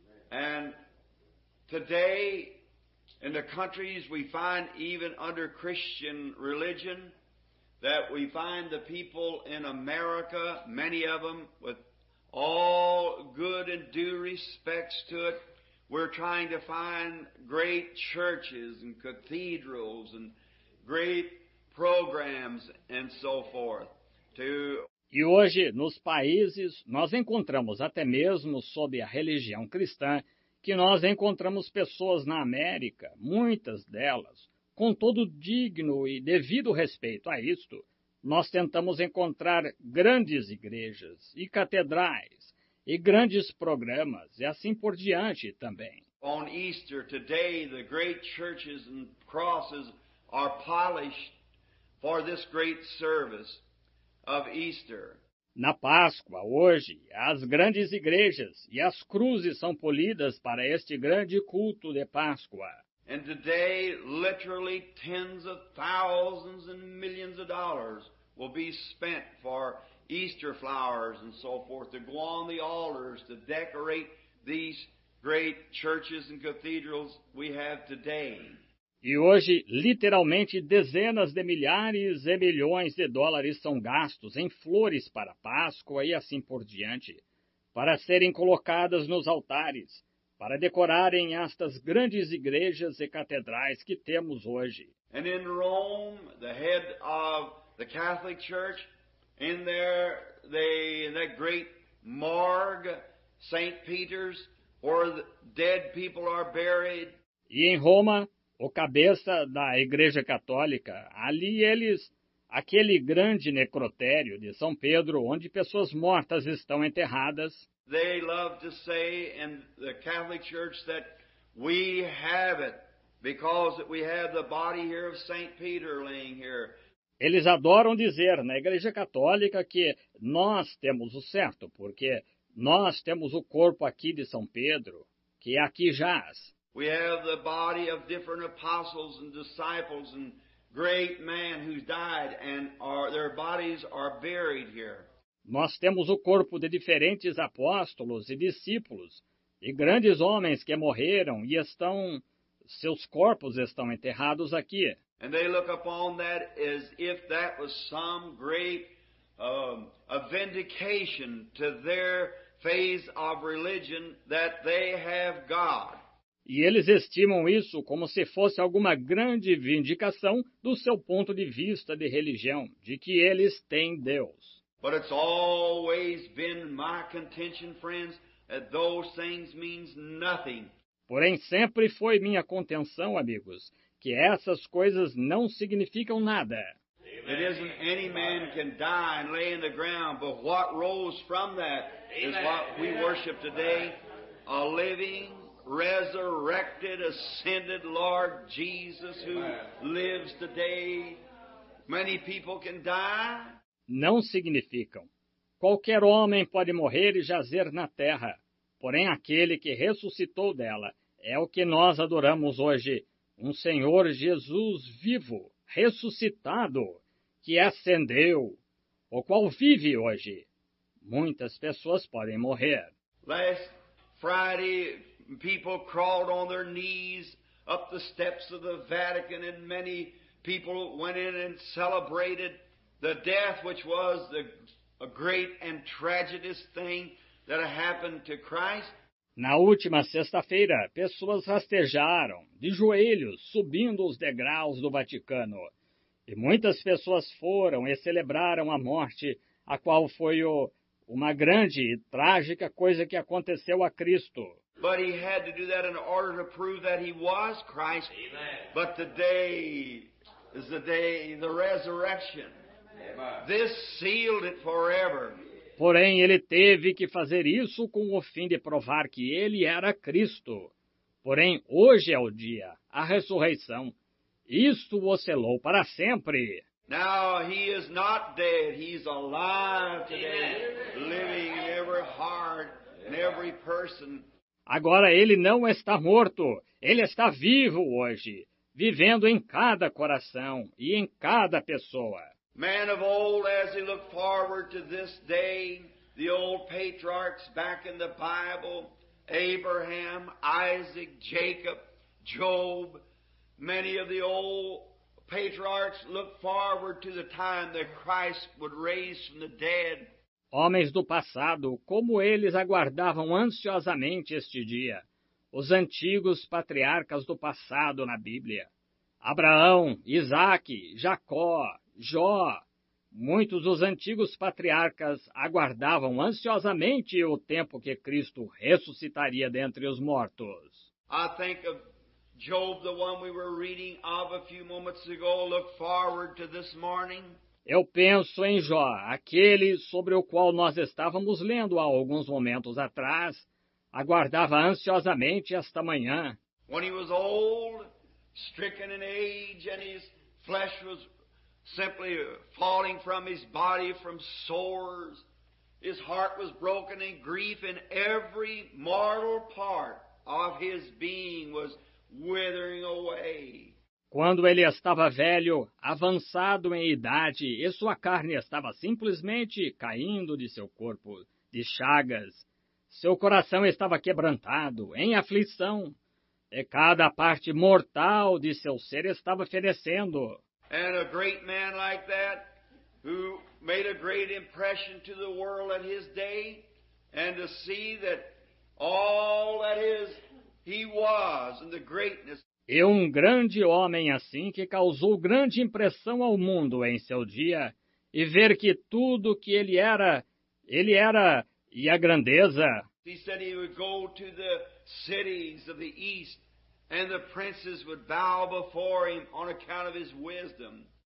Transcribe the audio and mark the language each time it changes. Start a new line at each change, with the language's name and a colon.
English: And today, in the countries we find even under Christian religion, that we find the people in America, many of them, with all good and due respects to it, we're trying to find great churches and cathedrals and great programs and so forth.
Portuguese: E hoje, nos países, nós encontramos até mesmo sob a religião cristã, que nós encontramos pessoas na América, muitas delas, com todo digno e devido respeito a isto, nós tentamos encontrar grandes igrejas e catedrais e grandes programas e assim por diante também.
English: On Easter today, the great churches and crosses are polished for this great service of Easter.
Portuguese: Na Páscoa, hoje, as grandes igrejas e as cruzes são polidas para este grande culto de Páscoa.
English: And today, literally tens of thousands and millions of dollars will be spent for Easter flowers and so forth to go on the altars to decorate these great churches and cathedrals we have today.
Portuguese: E hoje, literalmente, dezenas de milhares e milhões de dólares são gastos em flores para Páscoa e assim por diante, para serem colocadas nos altares, para decorarem estas grandes igrejas e catedrais que temos hoje.
English: And in Rome, the head of the Catholic Church, in there, in that great morgue, St. Peter's, where the dead people are buried.
Portuguese: E em Roma, o cabeça da Igreja Católica, ali eles, aquele grande necrotério de São Pedro, onde pessoas mortas estão enterradas.
English: They love to say in the Catholic Church that we have it because we have the body here of St. Peter laying here.
Portuguese: Eles adoram dizer na Igreja Católica que nós temos o certo, porque nós temos o corpo aqui de São Pedro, que aqui jaz.
English: We have the body of different apostles and disciples and great men who died and their bodies are buried here.
Portuguese: Nós temos o corpo de diferentes apóstolos e discípulos e grandes homens que morreram e estão, seus corpos estão enterrados aqui.
English: And they look upon that as if that was some great a vindication to their phase of religion that they have God.
Portuguese: E eles estimam isso como se fosse alguma grande vindicação do seu ponto de vista de religião, de que eles têm Deus.
English: But it's always been my contention, friends, that those things mean nothing.
Portuguese: Porém, sempre foi minha contenção, amigos, que essas coisas não significam nada.
English: It isn't any man can die and lay in the ground, but what rose from that is what we worship today, a living, resurrected, ascended Lord Jesus who lives today. Many people can die.
Portuguese: Não significam. Qualquer homem pode morrer e jazer na terra, porém aquele que ressuscitou dela é o que nós adoramos hoje, um Senhor Jesus vivo, ressuscitado, que ascendeu, o qual vive hoje. Muitas pessoas podem morrer.
English: Last Friday, people crawled on their knees up the steps of the Vatican and many people went in and celebrated the death, which was a great and tragic thing that happened to Christ.
Portuguese: Na última sexta-feira, pessoas rastejaram, de joelhos, subindo os degraus do Vaticano. E muitas pessoas foram e celebraram a morte, a qual foi uma grande e trágica coisa que aconteceu a Cristo.
English: But he had to do that in order to prove that he was Christ. Amen. But today is the day, the resurrection. This sealed it forever.
Portuguese: Porém, ele teve que fazer isso com o fim de provar que ele era Cristo. Porém, hoje é o dia, a ressurreição. Isto o selou para sempre.
English: Now he is not dead. He's alive today, living in every heart and every person.
Portuguese: Agora ele não está morto. Ele está vivo hoje, vivendo em cada coração e em cada pessoa.
English: Man of old, as he looked forward to this day, the old patriarchs back in the Bible, Abraham, Isaac, Jacob, Job, many of the old patriarchs looked forward to the time that Christ would raise from the dead.
Portuguese: Homens do passado, como eles aguardavam ansiosamente este dia. Os antigos patriarcas do passado na Bíblia. Abraão, Isaac, Jacó, Jó. Muitos dos antigos patriarcas aguardavam ansiosamente o tempo que Cristo ressuscitaria dentre os mortos.
English: I think of Job, the one we were reading of a few moments ago, look forward to this morning.
Portuguese: Eu penso em Jó, aquele sobre o qual nós estávamos lendo há alguns momentos atrás, aguardava ansiosamente esta manhã.
English: When he was old, stricken in age, and his flesh was simply falling from his body from sores, his heart was broken in grief, and every mortal part of his being was withering away.
Portuguese: Quando ele estava velho, avançado em idade, e sua carne estava simplesmente caindo de seu corpo, de chagas, seu coração estava quebrantado, em aflição, e cada parte mortal de seu ser estava fenecendo.
English: And a great man like that, who made a great impression to the world at his day, and to see that all that is, he was, and the greatness.
Portuguese: E um grande homem assim que causou grande impressão ao mundo em seu dia, e ver que tudo que ele era, e a grandeza.
English: He said he would go to the cities of the east, and the princes would bow before him on account of his wisdom.